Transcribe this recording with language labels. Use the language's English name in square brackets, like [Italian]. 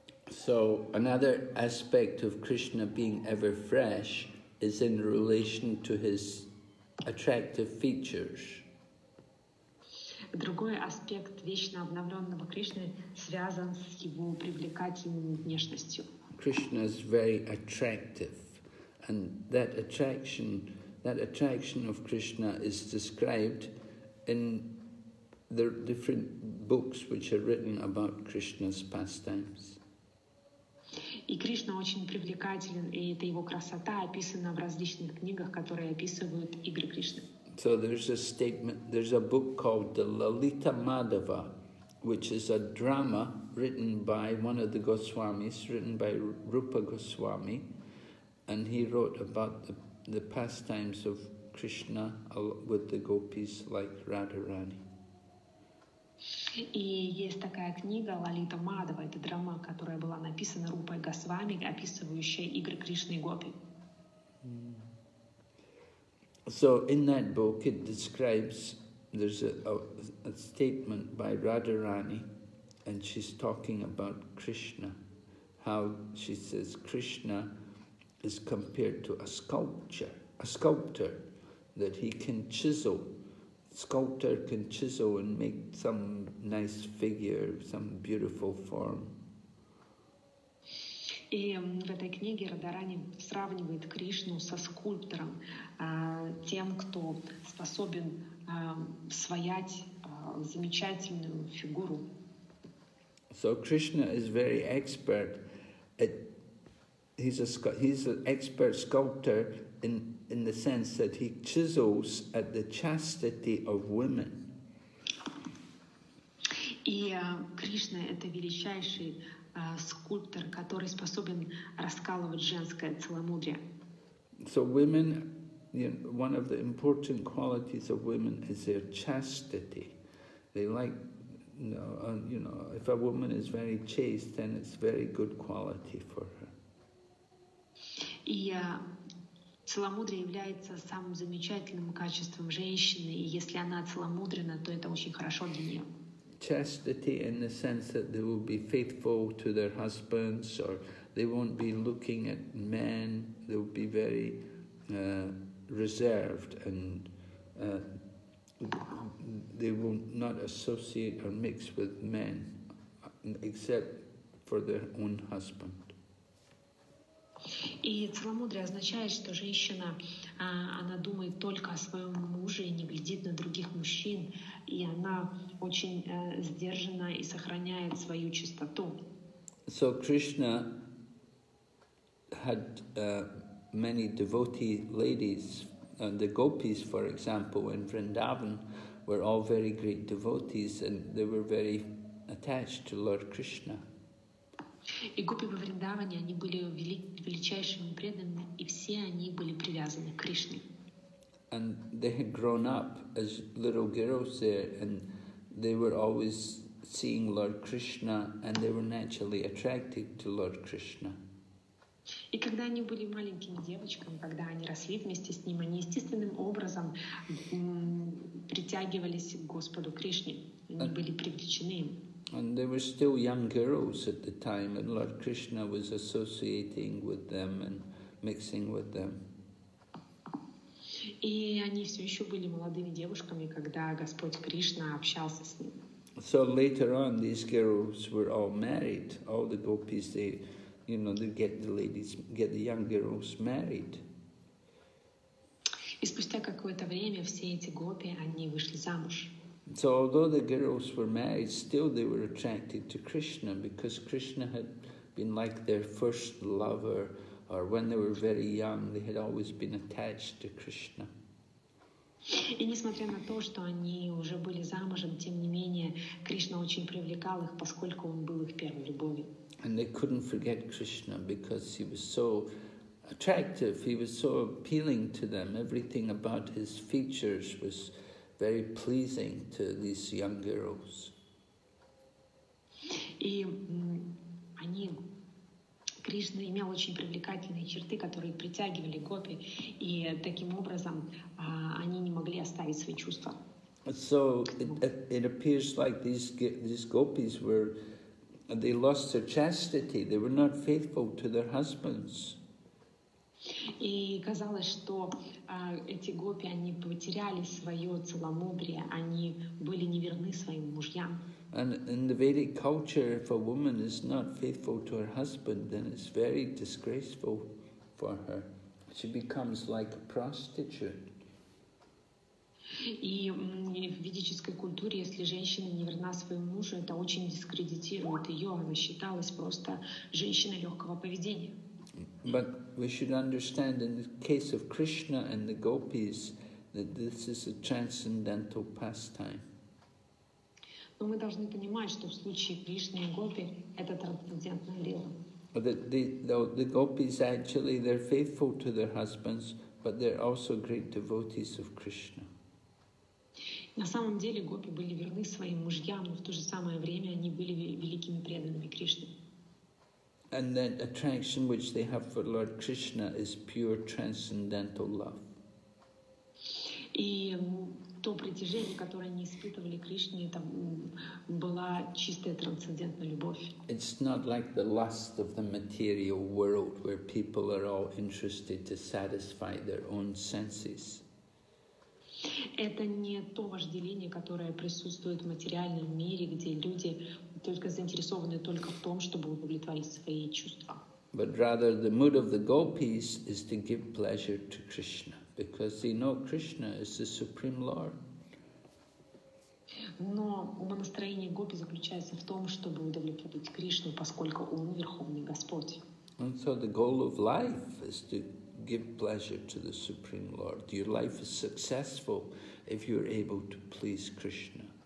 [English] So another aspect of Krishna being ever fresh is in relation to his attractive features. [Russian] Другой аспект вечно обновленного Кришны связан с его привлекательной внешностью. [English] Krishna is very attractive, and that attraction of Krishna is described in the different books which are written about Krishna's pastimes. [Russian] И Кришна очень привлекателен, и эта его красота описана в различных книгах, которые описывают игры Кришны. [English] So there's a statement, there's a book called the Lalita Madhava, which is a drama written by one of the Goswamis, written by Rupa Goswami, and he wrote about the pastimes of Krishna with the gopis like Radharani. [Russian] И есть такая книга Лалита Мадхава, это драма, которая была написана Рупой Госвами, описывающая игры Кришны и Гопи. [English] So in that book it describes, there's a statement by Radharani, and she's talking about Krishna, how she says Krishna is compared to a sculpture, a sculptor, that he can chisel. Sculptor can chisel and make some nice figure, some beautiful form. [Russian] И в этой книге Радхарани сравнивает Кришну со скульптором, тем, кто способен своять замечательную фигуру. [English] So Krishna is very expert at he's an expert sculptor in the sense that he chisels at the chastity of women. [Russian] И Кришна это величайший скульптор, который способен раскалывать женское целомудрие. [English] So women, you know, one of the important qualities of women is their chastity. They like, you know, if a woman is very chaste, then it's very good quality for her. [Russian] И целомудрие является самым замечательным качеством женщины, и если она целомудрена, то это очень хорошо для нее. [English] Chastity in the sense that they will be faithful to their husbands, or they won't be looking at men. They will be very reserved, and they will not associate or mix with men, except for their own husband. [Russian] И целомудрие означает, что женщина, она думает только о своем муже и не глядит на других мужчин, и она очень сдержана и сохраняет свою чистоту. [English] So Krishna had many devotee ladies, the gopis, for example, in Vrindavan, were all very great devotees, and they were very attached to Lord Krishna. [Russian] И гопи во Вриндаване, они были величайшими преданными, и все они были привязаны к Кришне. [English] And they had grown up as little girls there, and they were always seeing Lord Krishna, and they were naturally attracted to Lord Krishna. [Russian] И когда они были маленькими девочками, когда они росли вместе с ним, они естественным образом притягивались к Господу Кришне, они были привлечены им. [English] And they were still young girls at the time, and Lord Krishna was associating with them and mixing with them. [Russian] И они все еще были молодыми девушками, когда Господь Кришна общался с ними. [English] So later on, these girls were all married. All the gopis, they, you know, they get the ladies, get the young girls married. [Russian] И спустя какое-то время все эти гопи, они вышли замуж. [English] So although the girls were married, still they were attracted to Krishna, because Krishna had been like their first lover, or when they were very young, they had always been attached to Krishna. [Russian] И несмотря на то, что они уже были замужем, тем не менее, Кришна очень привлекал их, поскольку он был их первой любовью. [English] And they couldn't forget Krishna, because he was so attractive, he was so appealing to them. Everything about his features was very pleasing to these young girls. [Russian] И они, Кришна имел очень привлекательные черты, которые притягивали гопи, и таким образом они не могли оставить свои чувства. [English] So it appears like these gopis were, they lost their chastity, they were not faithful to their husbands. [Russian] И казалось, что эти гопи, они потеряли свое целомудрие, они были неверны своим мужьям. [English] And in the Vedic culture, if a woman is not faithful to her husband, then it's very disgraceful for her. She becomes like a prostitute. [Russian] И в ведической культуре, если женщина неверна своему мужу, это очень дискредитирует ее, она считалась просто женщиной легкого поведения. [English] But we should understand in the case of Krishna and the gopis that this is a transcendental pastime. [Russian] Но мы должны понимать, что в случае Кришны и гопи это трансцендентное дело. [English] The gopis actually they're faithful to their husbands, but they're also great devotees of Krishna. [Russian] На самом деле гопи были верны своим мужьям, но в то же самое время они были великими преданными Кришне. [English] And that attraction which they have for Lord Krishna is pure transcendental love. And [Russian] то притяжение, которое не испытывали Кришне, там была чистая трансцендентная любовь. [English] It's not like the lust of the material world, where people are all interested to satisfy their own senses. [Russian] Это не то вожделение, которое присутствует в материальном мире, где люди только заинтересованы только в том, чтобы удовлетворить свои чувства. [English] But rather, the mood of the gopis is to give pleasure to Krishna, because they know Krishna is the Supreme Lord. [Russian] Но умонастроение гопи заключается в том, чтобы удовлетворить Кришну, поскольку он Верховный Господь. [English] And so the goal of life is to give pleasure to the Supreme Lord. Your life is successful if you are able to please Krishna.